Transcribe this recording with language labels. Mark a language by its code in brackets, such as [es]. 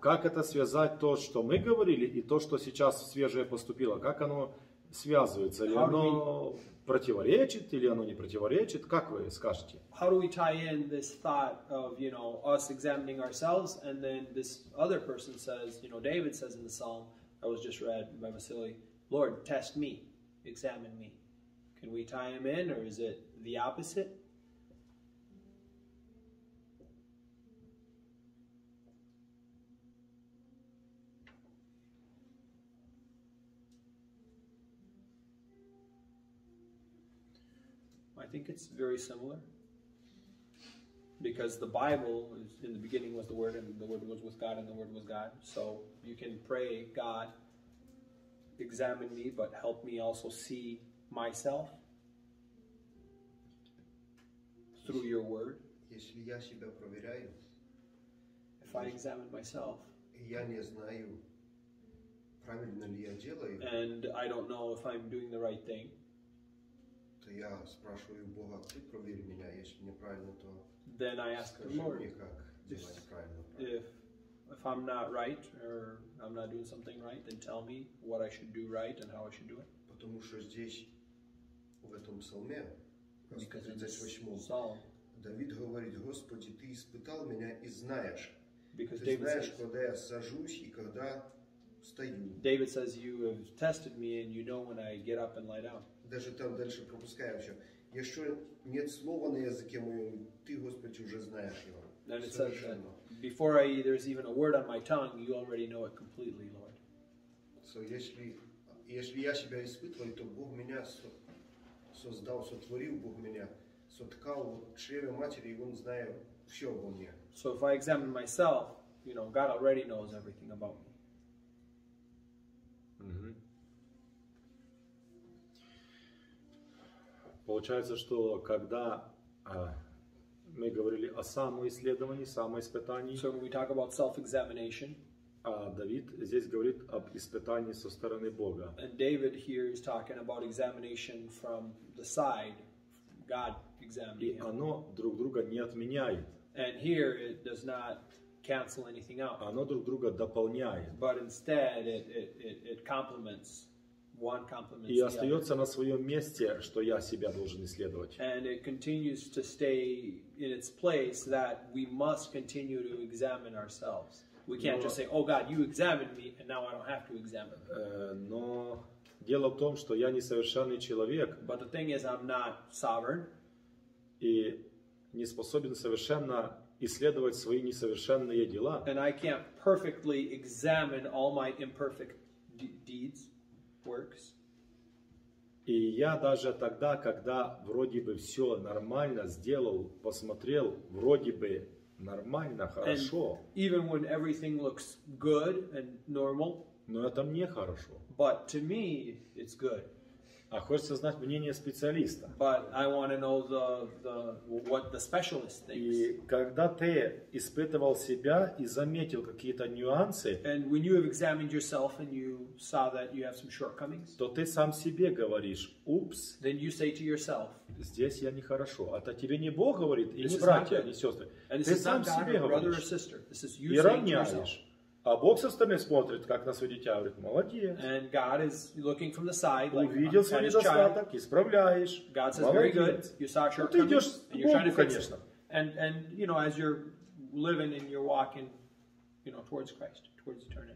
[ru] Как это связать, то, что мы говорили, и то, что сейчас свежее поступило? Как оно связывается? Или оно противоречит, или оно не противоречит? Как вы скажете? [en] How do we tie in this thought of, you know, us examining ourselves, and then this other person says, you know, David says in the psalm, I was just read by Vasily, Lord, test me, examine me. Can we tie him in, or is it the opposite? I think it's very similar. Because the Bible, is, in the beginning was the Word, and the Word was with God, and the Word was God. So you can pray, God, examine me, but help me also see myself through your Word. [ru] Если я себя проверяю, [en] if I examine myself, [ru] я не знаю, правильно ли я делаю, [en] and I don't know if I'm doing the right thing, [ru] то я спрашиваю Бога, ты проверь меня, если неправильно, то... [en] Then I ask the Lord, if I'm not right, or I'm not doing something right, then tell me what I should do right and how I should do it. [ru] Потому что здесь, в этом псалме, [en] because in this psalm, [ru] Давид говорит: Господи, ты испытал меня и знаешь. [en] Because [ru] ты знаешь, когда я сажусь и когда встаю. [en] David says, you have tested me and you know when I get up and lie down. [ru] Даже там дальше пропускаю вообще. Если нет слова на языке моем, ты, Господи, уже знаешь его. [en] And it says that before I, there's even a word on my tongue, you already know it completely, Lord. [ru] So, если я себя испытываю, то Бог меня создал, сотворил Бог меня, соткал в чреве матери, и Он знает все обо мне. [en] So, if I examine myself, you know, God already knows everything about me. [ru] Получается, что когда мы говорили о самоисследовании, самоиспытании, [en] so we talk about self-examination, [ru] а Давид здесь говорит об испытании со стороны Бога. [en] And David here is talking about examination from the side, God examining [ru] him. И оно друг друга не отменяет. [en] And here it does not cancel anything out. [ru] Оно друг друга дополняет. [en] But instead it complements. One compliment [ru] и остается на своем месте, что я себя должен исследовать. [en] And it continues to stay in its place that we must continue to examine ourselves. We can't just say, oh God, you examined me, and now I don't have to examine. [ru] Но дело в том, что я несовершенный человек. [en] But the thing is, I'm not sovereign. [ru] И не способен совершенно исследовать свои несовершенные дела. [en] And I can't perfectly examine all my imperfect deeds. Works. [ru] И я даже тогда, когда вроде бы все нормально сделал, посмотрел, вроде бы нормально, хорошо. [en] And even when everything looks good and normal. [ru] Но это мне хорошо. [en] But to me, it's good. [ru] А хочется знать мнение специалиста. [en] But I want to know the what the specialist thinks. [ru] И когда ты испытывал себя и заметил какие-то нюансы, [en] and when you have examined yourself and you saw that you have some shortcomings, [ru] то ты сам себе говоришь: «Упс». [en] Then you say to yourself, [ru] «Здесь я нехорошо». Это тебе не Бог говорит, и не братья, и не сестры. [en] And [ru] ты сам себе говоришь. И равняешь. А Бог со стороны смотрит, как на свое дитя, говорит: «Молодец». [en] And God is looking from the side, like, [ru] увидел свой недостаток, исправляешь. [en] God says, [ru] «Молодец». [en] Very good. You saw your shortcomings, and you're trying to fix it. [ru] Конечно. [en] And you know, as you're living and you're walking, you know, towards Christ, towards eternity.